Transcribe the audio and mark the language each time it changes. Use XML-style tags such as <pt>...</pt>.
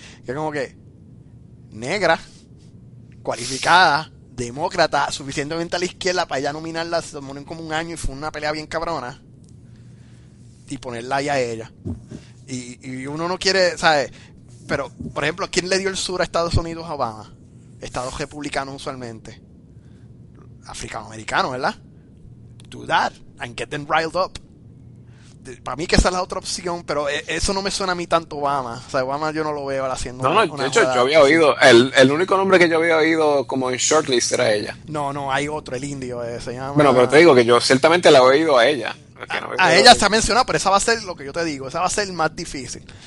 <es>Que como que negra, cualificada, demócrata, suficientemente a la izquierda para ella nominarla, se tomó como un año y fue una pelea bien cabrona, y ponerla ahí a ella. Y uno no quiere, ¿sabes? Pero, por ejemplo, ¿quién le dio el sur a Estados Unidos a Obama? Estados republicanos usualmente. Africanoamericanos, ¿verdad?</es> <en>Do that and get them riled up.</en> <es>Para mí que esa es la otra opción, pero eso no me suena a mí tanto Obama. O sea, Obama yo no lo veo haciendo. No, de hecho, yo había oído, el único nombre que yo había oído como en shortlist era ella. No, hay otro, el indio, se llama. Bueno, pero te digo que yo ciertamente la he oído a ella. A ella se ha mencionado, pero esa va a ser lo que yo te digo, esa va a ser el más difícil.</es>